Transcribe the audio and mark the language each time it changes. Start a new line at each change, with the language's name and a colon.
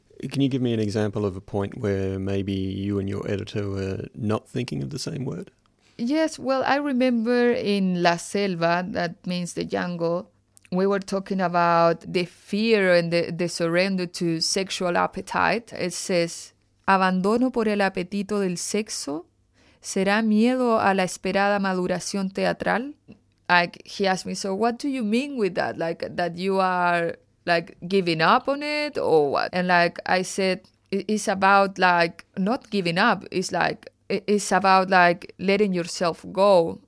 English: Can you give me an example of a point where maybe you and your editor were not thinking of the same word? Yes, well, I remember in La Selva, that means the jungle, we were talking about the fear and the surrender to sexual appetite.
Spanish: It says, abandono por el apetito del sexo, será miedo a la esperada maduración teatral.
English: Like, he asked me, so what do you mean with that? Like, that you are, like, giving up on it or what? And, like, I said, it's about, like, not giving up. It's like, it's about, like, letting yourself go.